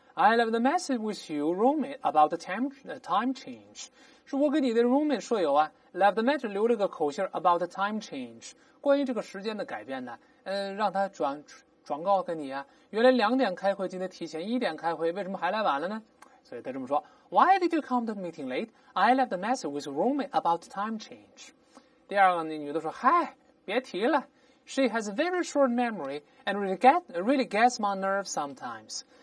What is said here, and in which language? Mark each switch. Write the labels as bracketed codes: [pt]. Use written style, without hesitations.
[en] I left a message with you, roommate, about the time change. [zh] 是我给你的 roommate 舍友啊 , [en] left a message [zh] 留了个口信 [en] about the time change. [zh] 关于这个时间的改变呢、让他转告给你啊，原来两点开会，今天提前一点开会，为什么还来晚了呢？所以他这么说 [en] Why did you come to the meeting late? I left a message with roommate about time change. [zh] 第二个女的说嗨别提了 [en] She has a very short memory and really gets my nerves sometimes.